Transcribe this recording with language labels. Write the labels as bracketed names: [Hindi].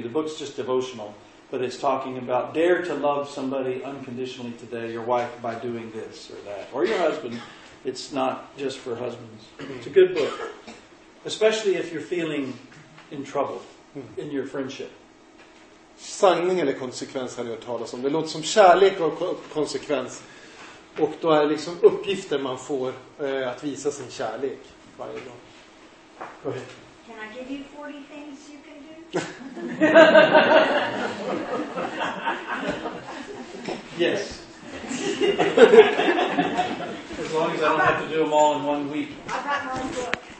[English] The book's just devotional. But it's talking about dare to love somebody unconditionally today, your wife, by doing this or that. Or your husband. It's not just for husbands. It's a good book. Especially if you're feeling in trouble in your friendship. [Swedish] Sanning eller konsekvens hade jag talat om. Det låter som kärlek och konsekvens. Och då är det liksom uppgifter man får att visa sin kärlek varje dag. [English] Can I give you 40 things you can do? Yes. As long as I don't have to do them all in 1 week. I've got my own book.